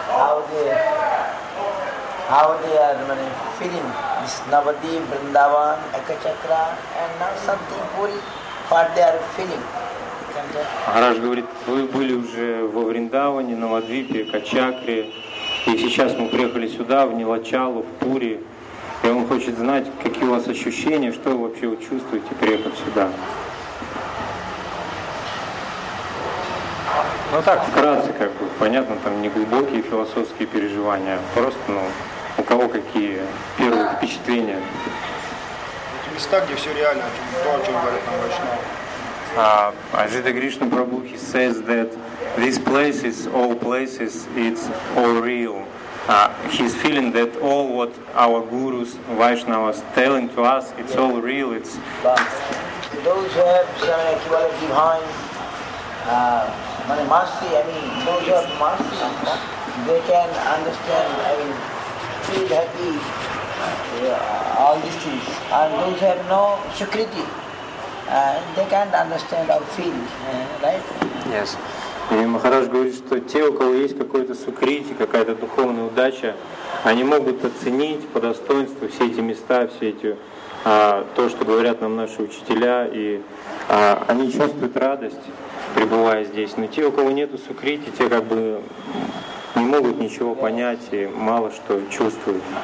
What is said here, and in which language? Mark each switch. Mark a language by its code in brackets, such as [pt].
[en] how they are feeling this Navadvip, Vrindavan, Ekachakra and now Santi Puri, what they are feeling. [ru] Maharaj говорит, вы были уже во Вриндаване, на Навадвипе, Качакре, и сейчас мы приехали сюда, в Нилачалу, в Пури. И он хочет знать, какие у вас ощущения, что вы вообще чувствуете, приехав сюда. Ну так, вкратце, как бы, понятно, там не глубокие философские переживания, просто, ну, у кого какие первые впечатления. Эти места, где все реально, то, о чем говорят там обычно. [en] Ajita Krishna Prabhu, he says that these places, all places, it's all real. He's feeling that all what our gurus, Vaishnavas, telling to us, it's all real. It's but those who have some equality behind, those who have mercy, they can understand, feel happy, all these things. And those who have no sukriti, they can't understand our feelings, right? Yes. [ru] И Махарадж говорит, что те, у кого есть какой-то сукрити, какая-то духовная удача, они могут оценить по достоинству все эти места, все эти то, что говорят нам наши учителя, и они чувствуют радость, пребывая здесь. Но те, у кого нету сукрити, те как бы не могут ничего понять и мало что чувствуют.